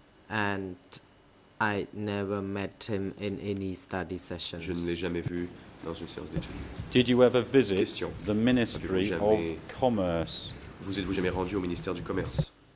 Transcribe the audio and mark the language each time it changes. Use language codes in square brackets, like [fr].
[en] And I never met him in any study sessions. [fr] Je ne l'ai jamais vu dans une séance d'études. [en] Did you ever visit the Ministry of Commerce? [fr] Vous êtes-vous jamais rendu au ministère du commerce?